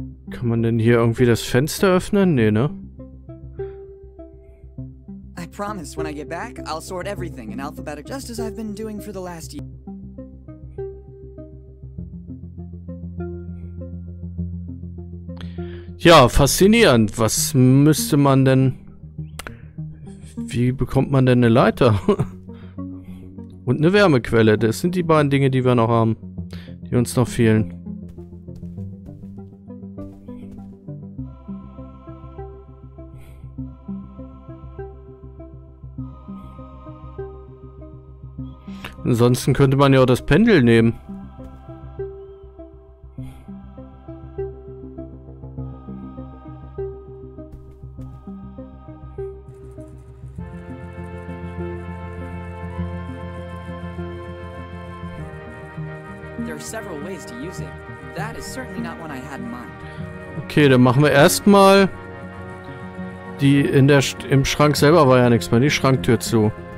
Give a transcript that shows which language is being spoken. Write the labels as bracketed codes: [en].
[de] Kann man denn hier irgendwie das Fenster öffnen? Nee, ne? [en] I promise, when I get back, I'll sort everything in alphabetic, just as I've been doing for the last year. [de] Ja, faszinierend. Was müsste man denn... Wie bekommt man denn eine Leiter? Und eine Wärmequelle. Das sind die beiden Dinge, die wir noch haben. Die uns noch fehlen. Ansonsten könnte man ja auch das Pendel nehmen. [en] There are several ways to use it. That is certainly not one I had in mind. [de] Okay, dann machen wir erstmal die in der im Schrank selber war ja nichts mehr, die Schranktür zu.